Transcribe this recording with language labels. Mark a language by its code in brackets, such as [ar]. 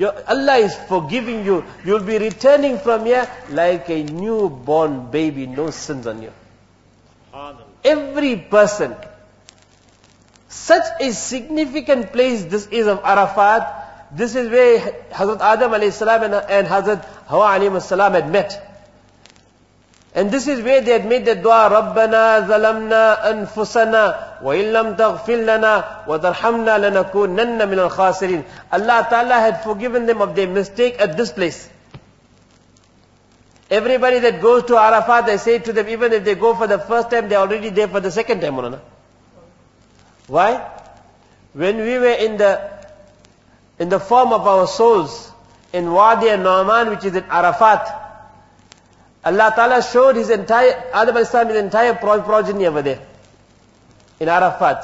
[en] Allah is forgiving you. You'll be returning from here like a newborn baby, no sins on you. Every person. Such a significant place this is of Arafat. This is where Hazrat Adam alayhi salam and Hazrat Hawa alayhi salam had met. And this is where they had made the dua, [ar] رَبَّنَا ظَلَمْنَا أَنفُسَنَا وَإِنْ لَمْ تَغْفِرْ لَنَا وَتَرْحَمْنَا لَنَكُونَنَّ مِنَ الْخَاسِرِينَ. [en] Allah Ta'ala had forgiven them of their mistake at this place. Everybody that goes to Arafat, they say to them, even if they go for the first time, they're already there for the second time. Why? When we were in the form of our souls, in Wadi al-Nu'man, which is in Arafat, Allah Ta'ala showed Adam al-Islam's entire progeny over there, in Arafat.